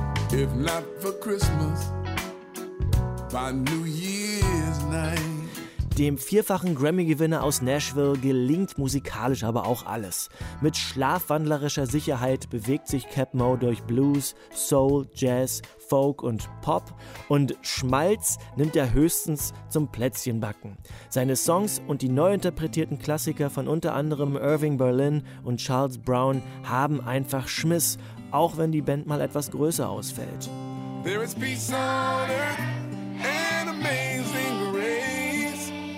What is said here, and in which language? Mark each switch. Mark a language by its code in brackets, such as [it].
[en] If not for Christmas, by New Year's night. [de] Dem vierfachen Grammy-Gewinner aus Nashville gelingt musikalisch aber auch alles. Mit schlafwandlerischer Sicherheit bewegt sich Cap Mo durch Blues, Soul, Jazz, Folk und Pop und Schmalz nimmt er höchstens zum Plätzchenbacken. Seine Songs und die neu interpretierten Klassiker von unter anderem Irving Berlin und Charles Brown haben einfach Schmiss, auch wenn die Band mal etwas größer ausfällt. [en] There is peace on earth and amazing grace.